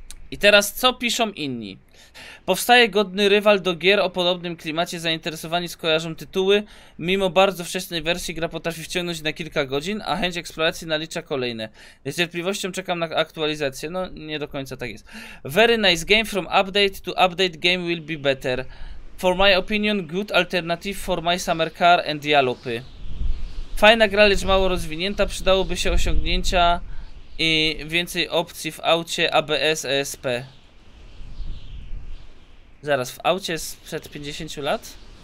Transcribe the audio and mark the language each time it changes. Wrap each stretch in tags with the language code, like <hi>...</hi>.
<pl>I teraz co piszą inni? Powstaje godny rywal do gier o podobnym klimacie, zainteresowani skojarzą tytuły. Mimo bardzo wczesnej wersji gra potrafi wciągnąć na kilka godzin, a chęć eksploracji nalicza kolejne. Z cierpliwością czekam na aktualizację. No, nie do końca tak jest.</pl> <en>Very nice game, from update to update game will be better. For my opinion, good alternative for my summer car and dialopy.</en> <pl>Fajna gra, lecz mało rozwinięta, przydałoby się osiągnięcia... i więcej opcji w aucie ABS ESP. Zaraz, w aucie sprzed 50 lat?</pl>